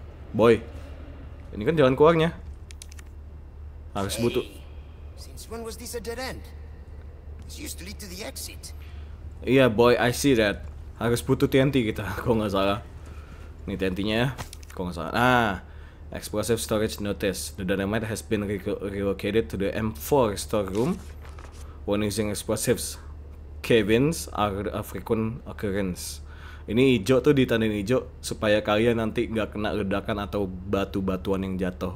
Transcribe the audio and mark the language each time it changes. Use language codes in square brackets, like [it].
[id] Boy, ini kan jalan keluarnya. Harus butuh. [en] Since when was this a dead end? This used to lead to the exit. [id] Iya boy, [en] I see that. [id] Harus butuh TNT kita, kalau nggak salah. Ini TNT-nya ya, kalau nggak salah. [en] Explosive storage notice. The dynamite has been relocated to the M4 storeroom when using explosives. Cabins are a frequent occurrence. [id] Ini hijau tuh ditandain hijau supaya kalian nanti nggak kena ledakan atau batu-batuan yang jatuh.